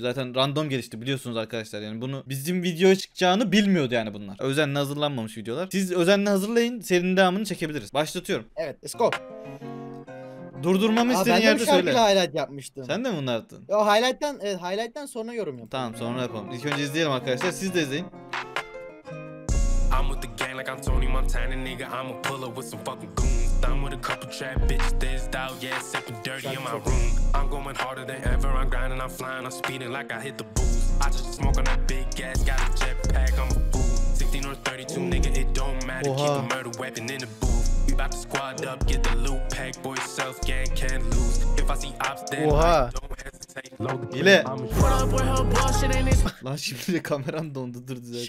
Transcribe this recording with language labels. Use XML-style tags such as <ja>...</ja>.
<tr>Zaten random gelişti biliyorsunuz arkadaşlar. Yani bunu bizim videoya çıkacağını bilmiyordu yani bunlar. Özenle hazırlanmamış videolar. Siz özenle hazırlayın, serinin devamını çekebiliriz. Başlatıyorum. Evet,</tr> <en>let's go.</en> <tr>Durdurmamı istediğin yerde söyle. Ben de bir şarkıyla highlight yapmıştım. Sen de mi bunu attın? Yo, highlight'tan, evet, highlight'tan sonra yorum yapalım. Tamam, sonra yapalım. İlk önce izleyelim arkadaşlar, siz de izleyin.</tr> <en>I'm with the gang like I'm Tony Montana nigga, I'm a pull up with some fucking goons. I'm with a couple trap bitches, there's doubt, yeah, it's sipping dirty in my room. I'm going harder than ever, I'm grinding, I'm flying, I'm speeding like I hit the booth. I just smoke on that big gas, got a jetpack, I'm a fool. 16 or 32 nigga, it don't matter, keep a murder weapon in the booth. About to squad up, get the loot, pack boy self gang can't lose. If I see ops then</en> <tr>oha. Yine. Lan şimdi de kameram dondu, dur düzelt.</tr>